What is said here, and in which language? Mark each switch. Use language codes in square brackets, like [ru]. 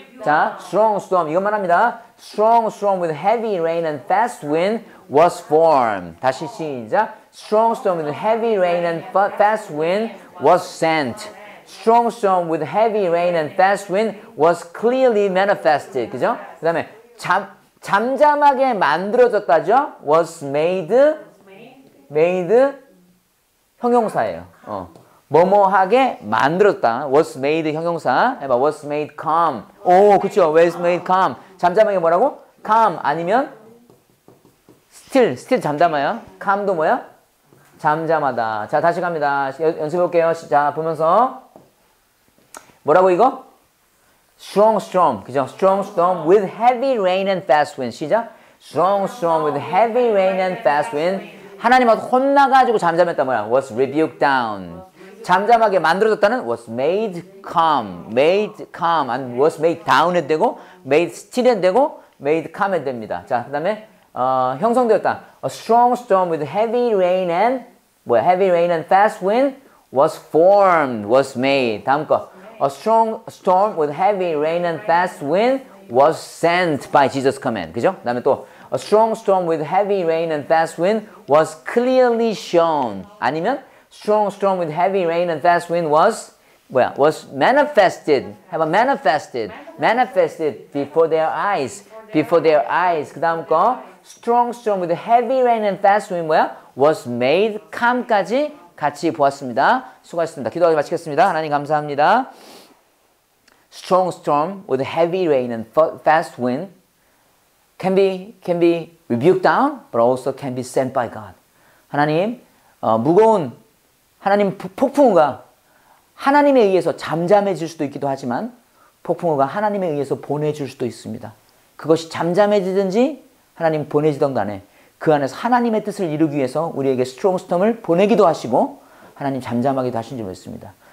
[ko] 자, strong storm. 이것만 합니다. [en] Strong storm with heavy rain and fast wind was formed. [ko] 다시 시작. [en] Strong storm with heavy rain and fast wind was sent. Strong storm with heavy rain and fast wind was clearly manifested. [ko] 그죠? 그 다음에 잠잠하게 만들어졌다죠? Was made 형용사예요. 뭐뭐하게 만들었다. Was made 형용사. 해봐. [en] Was made calm. 오, 그쵸. Was made calm. [ko] 잠잠하게 뭐라고? Calm 아니면 still. Still 잠잠해요. Calm도 뭐야? 잠잠하다. 자, 다시 갑니다. 연습해볼게요. 자, 보면서. 뭐라고 이거? Strong storm. 그죠? [en] Strong storm with heavy rain and fast wind. [ko] 시작. [en] Strong storm with heavy rain and fast wind. [ko] 하나님한테 혼나가지고 잠잠했다 뭐야? [en] Was rebuked down. [ko] 잠잠하게 만들어졌다는 [en] was made calm, made calm, and was made down 해도 되고, made still 해도 되고, made calm 해도 됩니다. [ko] 자, 그 다음에, 형성되었다. [en] A strong storm with heavy rain and, 뭐야, heavy rain and fast wind was formed, was made. [ko] 다음 거. [en] A strong storm with heavy rain and fast wind was sent by Jesus' command. [ko] 그죠? [en] 그 다음에 또, a strong storm with heavy rain and fast wind was clearly shown. 아니면, Strong storm with heavy rain and fast wind was, well, was manifested. Have a manifested. Manifested before their eyes. Before their eyes. 그 다음 거, strong storm with heavy rain and fast wind, well, was made calm까지 [ko] 같이 보았습니다. 수고하셨습니다. 기도하고 마치겠습니다. 하나님 감사합니다. [en] Strong storm with heavy rain and fast wind can be rebuked down, but also can be sent by God. [ko] 하나님, 무거운 하나님 폭풍우가 하나님에 의해서 잠잠해질 수도 있기도 하지만 폭풍우가 하나님에 의해서 보내줄 수도 있습니다. 그것이 잠잠해지든지 하나님 보내지던 간에 그 안에서 하나님의 뜻을 이루기 위해서 우리에게 스트롱스톰을 보내기도 하시고 하나님 잠잠하기도 하신 줄 믿습니다.